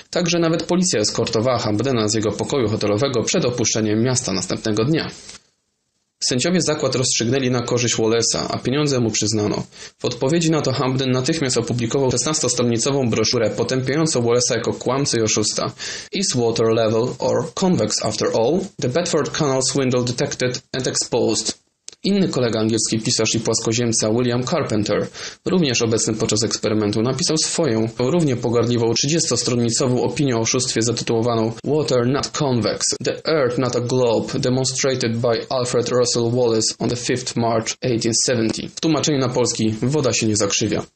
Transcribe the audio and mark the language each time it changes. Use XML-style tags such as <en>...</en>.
<pl>Także nawet policja eskortowała Hampdena z jego pokoju hotelowego przed opuszczeniem miasta następnego dnia. Sędziowie zakład rozstrzygnęli na korzyść Wallace'a, a pieniądze mu przyznano. W odpowiedzi na to Hampden natychmiast opublikował 16-stronicową broszurę potępiającą Wallace'a jako kłamcę i oszusta.</pl> <en>Is water level or convex after all? The Bedford Canal swindle detected and exposed.</en> <pl>Inny kolega angielski pisarz i płaskoziemca William Carpenter, również obecny podczas eksperymentu, napisał swoją, równie pogardliwą 30-stronicową opinię o oszustwie zatytułowaną</pl> <en>Water Not Convex, The Earth Not a Globe, Demonstrated by Alfred Russel Wallace on the 5th March 1870.</en> <pl>W tłumaczeniu na polski, woda się nie zakrzywia.</pl>